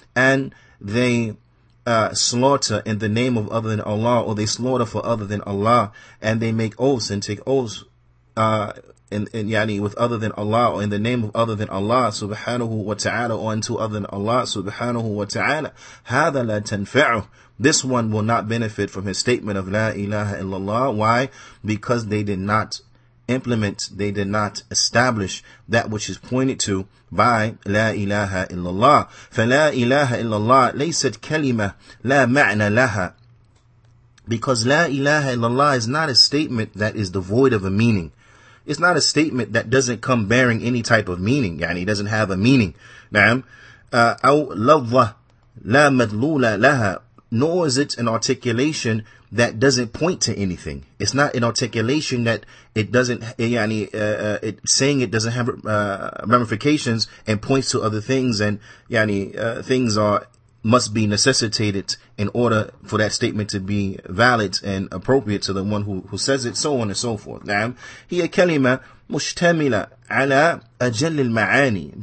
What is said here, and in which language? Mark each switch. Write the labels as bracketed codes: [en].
[en] And they slaughter in the name of other than Allah, or they slaughter for other than Allah, and they make oaths and take oaths in yani with other than Allah, or in the name of other than Allah subhanahu wa ta'ala, or unto other than Allah subhanahu wa ta'ala. [ar] هذا لا تنفعه. [en] This one will not benefit from his statement of la ilaha illallah. Why? Because they did not implement, they did not establish that which is pointed to by لا إله إلا الله. [ar] فلا إله إلا الله ليست كلمة لا معنى لها. [en] Because لا إله إلا الله is not a statement that is devoid of a meaning. It's not a statement that doesn't come bearing any type of meaning. [ar] يعني [en] doesn't have a meaning. [ar] نعم. أو لفظة لا مدلولة لها. [en] Nor is it an articulation that doesn't point to anything. It's not an articulation that it doesn't, it saying it doesn't have ramifications and points to other things, and things must be necessitated in order for that statement to be valid and appropriate to the one who says it, so on and so forth. [ar] Now, هي كلمة مشتملة على أجل المعاني.